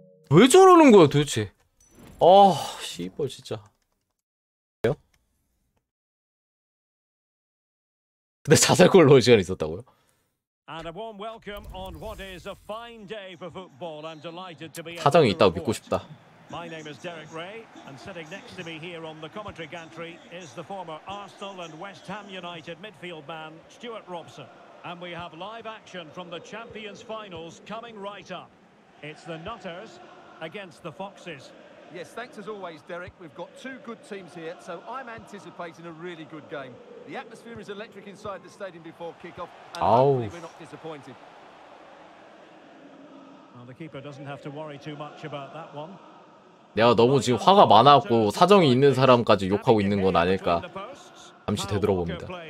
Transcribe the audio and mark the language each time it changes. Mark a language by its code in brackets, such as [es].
[ko] 왜 저러는 거야 도대체? 아, 씨발 진짜. 근데 자살골 넣을 시간이 있었다고요? [en] And a warm welcome on what is a fine day for football. I'm delighted to be [ko] 타정이 있다고 믿고 싶다. [en] My name is Derek Ray and sitting next to me here on the commentary gantry is the former Arsenal and West Ham United midfield man Stuart Robson. And we have live action from the Champions Finals coming right up. It's the Nutters against the Foxes. Yes, thanks as always, Derek. We've got two good teams here, so I'm anticipating a really good game. The atmosphere is electric inside the stadium before kickoff, and hopefully we're not disappointed. Well, the keeper doesn't have to worry too much about that one. [ko] 내가 너무 지금 화가 많았고 사정이 있는 사람까지 욕하고 있는 건 아닐까 잠시 되돌아 봅니다.